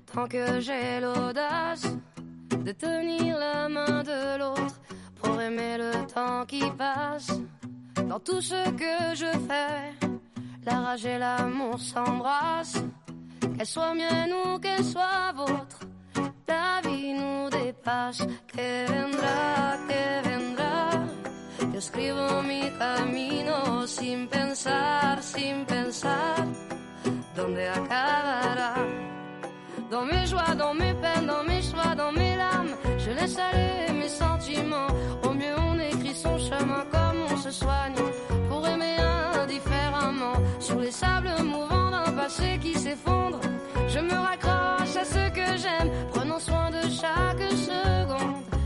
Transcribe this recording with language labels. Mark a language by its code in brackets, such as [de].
[fr] Que j'ai l'audace de tenir la main de l'autre pour aimer le temps qui passe. Dans tout ce que je fais, la rage et l'amour s'embrassent. Qu'elle soit mienne ou qu'elle soit vôtre, la vie nous dépasse. [es] Que vendra, que vendra. Yo escribo mi camino sin pensar, sin pensar. Dónde acabará. [fr] Dans mes joies, dans mes peines, dans mes choix, dans mes larmes, je laisse aller mes sentiments. Au mieux on écrit son chemin comme on se soigne, pour aimer indifféremment. Sur les sables mouvants d'un passé qui s'effondre, je me raccroche à ce que j'aime, prenant soin de chaque seconde.